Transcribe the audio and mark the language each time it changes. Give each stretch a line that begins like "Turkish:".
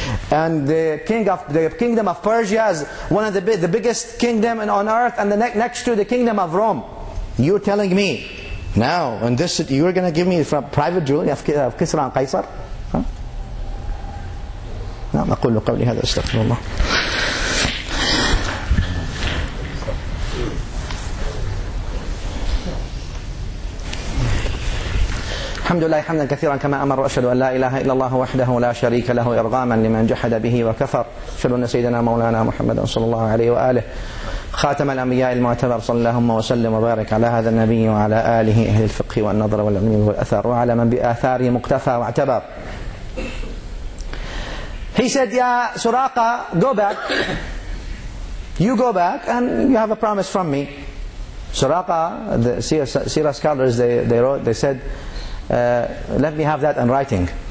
English: And the kingdom of Persia is one of the biggest kingdom on earth, and the next to the kingdom of Rome. You're telling me, now, in this city, you're going to give me from private jewelry of Kisra and Qaisar?
Arabic: نعم أقول قولي هذا استغفر الله. الحمد لله حمدا كثيرا كما أمر وأشهد أن لا إله إلا الله وحده لا شريك له إرغاما لمن جحد به وكفر. أشهد أن سيدنا مولانا محمد صلى الله عليه وآله خاتم الأنبياء المعتبر صلى الله وسلم وبارك على هذا النبي وعلى آله أهل الفقه والنظر والعلم والأثر وعلى من بآثاره مقتفى واعتبر.
English: He said, Ya Suraqa, go back. You go back and you have a promise from me. Suraqa, the Sirah scholars, they wrote, they said, let me have that in writing.